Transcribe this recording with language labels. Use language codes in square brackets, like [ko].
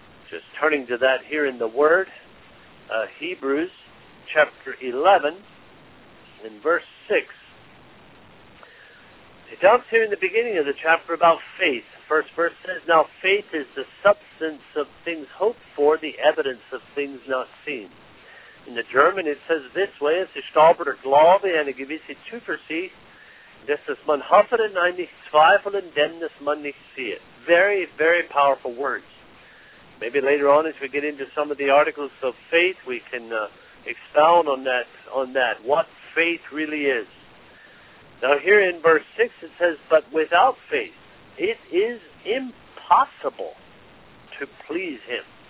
[en] Just turning to that here in the Word, Hebrews chapter 11 and verse 6. It talks here in the beginning of the chapter about faith. First verse says, now faith is the substance of things hoped for, the evidence of things not seen. In the German, it says this way, [de] es ist aber der Glaube eine gewisse Zuversicht, dass man hoffet und nicht zweifelt und dem, dass man nicht sieht. [en] Very, very powerful words. Maybe later on, as we get into some of the articles of faith, we can expound on that, what faith really is. Now here in verse 6 it says, but without faith it is impossible to please him.